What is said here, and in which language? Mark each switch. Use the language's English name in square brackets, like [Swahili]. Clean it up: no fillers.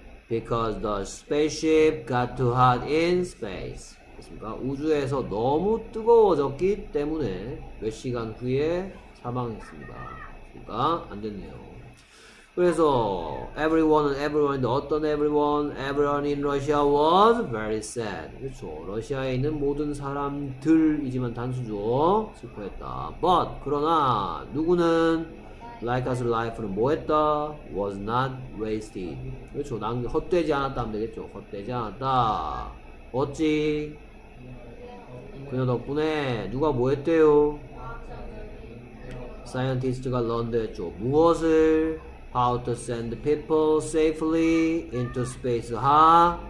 [English] Because the spaceship got too hot in space. [Korean] 그렇습니까? 우주에서 너무 뜨거워졌기 때문에 몇 시간 후에 사망했습니다. 그러니까 안 됐네요. 그래서 everyone인데 어떤 everyone? [English] Everyone in Russia was very sad. [Korean] 그렇죠. 러시아에 있는 모든 사람들이지만 단수죠. 슬퍼했다. But 그러나 누구는 [English] Like us life [Korean] 는 뭐했다? [English] Was not wasted. [Korean] 그렇죠. 난 헛되지 않았다 하면 되겠죠. 헛되지 않았다. 어찌? 그녀 덕분에 누가 뭐했대요? Scientist가 런드 했죠. 무엇을? [English] How to send people safely into space, 하?